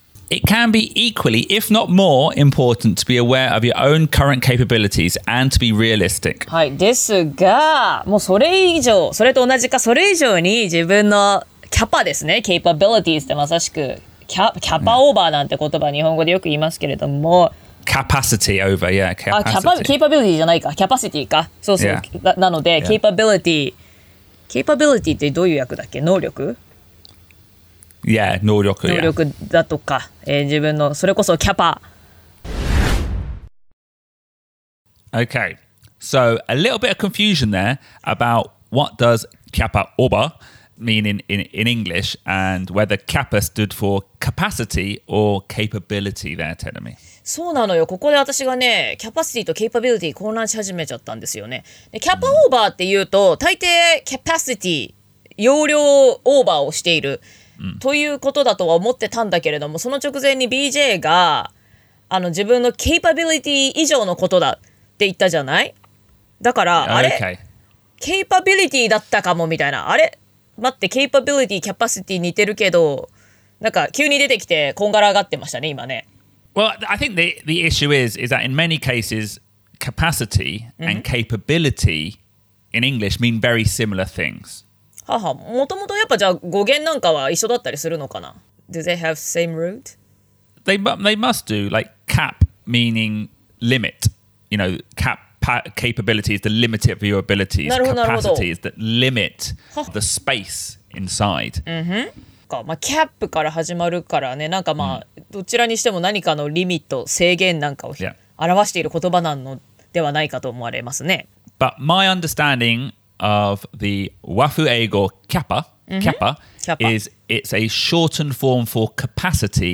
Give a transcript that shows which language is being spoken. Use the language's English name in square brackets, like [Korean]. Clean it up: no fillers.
[English] It can be equally, if not more, important to be aware of your own current capabilities and to be realistic. [Japanese] はい、ですが、もうそれ以上、それと同じかそれ以上に自分のキャパですね、capabilities ってまさしくキャパオーバーなんて言葉、日本語でよく言いますけれども、 [English] capacity over, yeah, capacity. [Japanese] capability じゃないか、capacity か、そうそう、yeah. なので、yeah. capability ってどういう訳だっけ、能力？ [English] Yeah, 能力、yeah. [Japanese] 能力だとか、自分のそれこそキャパ。 [English] Okay, so a little bit of confusion there about what does kappa oba mean in English and whether kappa stood for capacity or capability there, Tenomi. [Japanese] そうなのよ。ここで私がね、キャパシティとケイパビリティ混乱し始めちゃったんですよね。で、キャパオーバーっていうと、大抵キャパシティ、容量オーバーをしている。ということだとは思ってたんだけれども、その直前に BJ が自分のケイパビリティ以上のことだって言ったじゃない？だから、 okay. あれケイパビリティだったかもみたいな、あれ待ってケイパビリティキャパシティ似てるけど、なんか急に出てきてこんがらがってましたね今ね。 [English] Well, I think the issue is that in many cases capacity and capability in English mean very similar things. [Japanese] もともとやっぱじゃあ語源なんかは一緒だったりするのかな? [English] Do they have same root? They must do, like cap meaning limit. You know, capability is the limit of your abilities. Capacity is the limit of the space inside. [Japanese] まあ、cap から始まるからね、なんかまあ、どちらにしても何かのリミット、制限なんかを、 [English] yeah. [Japanese] 表している言葉なのではないかと思われますね。 [English] But my understandingOf the Wafu Eigo Kappa, Kappa is it's a shortened form for capacity,